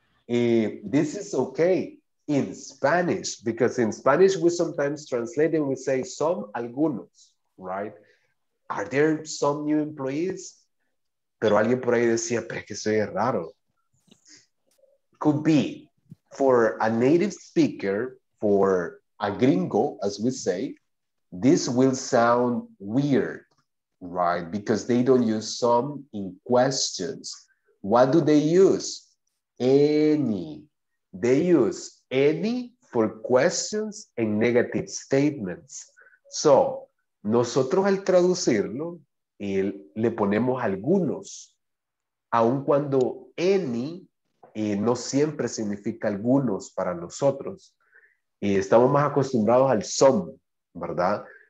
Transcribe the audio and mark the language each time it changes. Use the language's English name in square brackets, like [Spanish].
[English] This is okay in Spanish, because in Spanish we sometimes translate and we say some, algunos, right? Are there some new employees? [Spanish] Pero alguien por ahí decía, pero es que soy raro. [English] Could be for a native speaker, for a gringo, as we say, this will sound weird. Right, because they don't use some in questions. What do they use? Any. They use any for questions and negative statements. [Spanish] So, nosotros al traducirlo, le ponemos algunos, aun cuando any no siempre significa algunos para nosotros. Estamos más acostumbrados al some, ¿verdad?